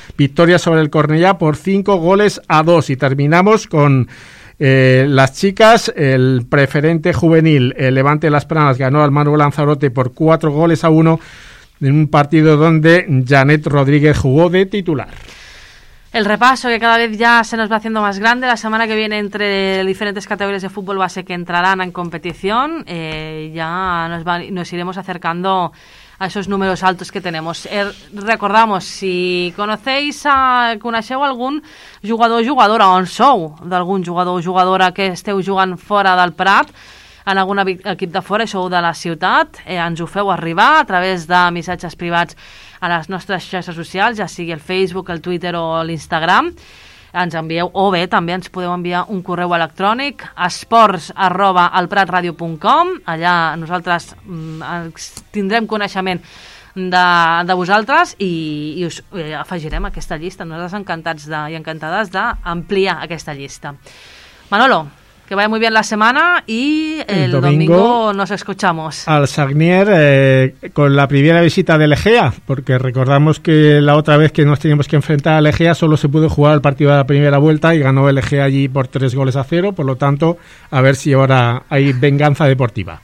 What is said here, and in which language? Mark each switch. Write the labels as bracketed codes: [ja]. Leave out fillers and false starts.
[es] Victoria sobre el Cornellà por 5-2. Y terminamos con las chicas, el preferente juvenil, el Levante Las Planas, ganó al Manu Lanzarote por 4-1 en un partido donde Janet Rodríguez jugó de titular. El repaso, que cada vez ya se nos va haciendo más grande, la semana que viene entre diferentes categorías de fútbol base que entrarán en competición, ya nos iremos acercando a esos números altos que tenemos. Recordamos, si conocéis, [ca] coneixeu algun jugador o jugadora, on sou d'algun jugador o jugadora que esteu jugant fora del Prat, en algun equip de fora, sou de la ciutat, ens ho feu arribar a través de missatges privats a les nostres xarxes socials, ja sigui el Facebook, el Twitter o l'Instagram. Ens envieu, o bé, també ens podeu enviar un correu electrònic, esports@elpratradio.com. Allà nosaltres tindrem coneixement de vosaltres i us afegirem a aquesta llista. Nosaltres encantats i encantades d'ampliar aquesta llista. [es] Manolo, que vaya muy bien la semana y el domingo, nos escuchamos. Al Sagnier, con la primera visita del Egea, porque recordamos que la otra vez que nos teníamos que enfrentar al Egea solo se pudo jugar el partido de la primera vuelta y ganó el Egea allí por 3-0, por lo tanto, a ver si ahora hay venganza deportiva.